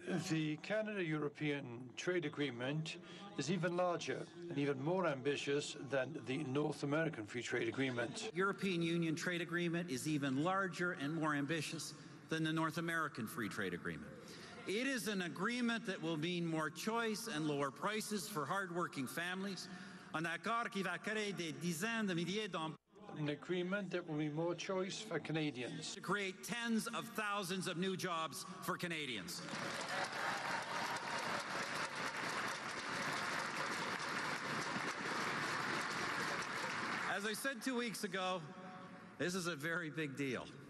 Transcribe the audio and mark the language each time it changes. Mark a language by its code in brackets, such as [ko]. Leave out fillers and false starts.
[en] The Canada-European trade agreement is even larger and even more ambitious than the North American Free Trade Agreement. European Union trade agreement is even larger and more ambitious than the North American Free Trade Agreement. It is an agreement that will mean more choice and lower prices for hardworking families. [fr] Un accord qui va créer des dizaines de milliers d'emplois. [en] An agreement that will be more choice for Canadians. To create tens of thousands of new jobs for Canadians. As I said 2 weeks ago, this is a very big deal.